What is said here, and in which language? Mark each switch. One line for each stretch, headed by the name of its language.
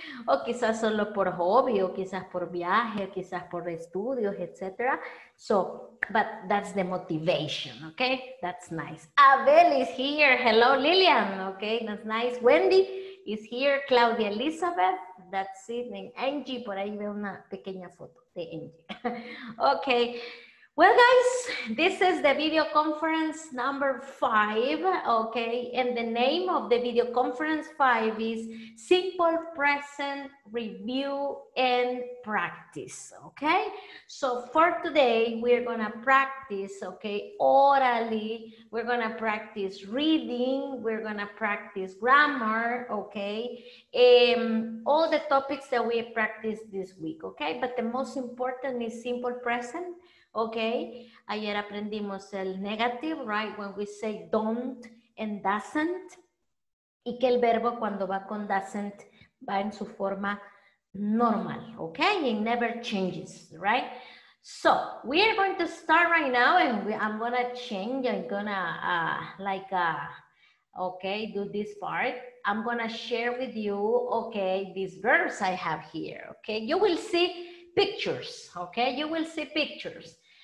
Spanish: O quizás solo por hobby, o quizás por viaje, o quizás por estudios, etc.
English: So, but that's the motivation, ¿ok? That's nice. Abel is here. Hello, Lillian, ¿ok? That's nice. Wendy is here. Claudia Elizabeth, that's evening.
Spanish: Angie, por ahí veo una pequeña foto de Angie.
English: Ok. Well, guys, this is the video conference number 5, okay? And the name of the video conference 5 is Simple Present Review and Practice, okay? So for today, we're gonna practice, okay, orally. We're gonna practice reading. We're gonna practice grammar, okay? All the topics that we practiced this week, okay? But the most important is simple present. Okay,
Spanish: ayer aprendimos el
English: negative, right? When we say don't and doesn't.
Spanish: Y que el verbo cuando va con doesn't va en su forma normal, okay?
English: It never changes, right? So, we are going to start right now and do this part. I'm gonna share with you, okay, these verbs I have here, okay? You will see pictures, okay? You will see pictures.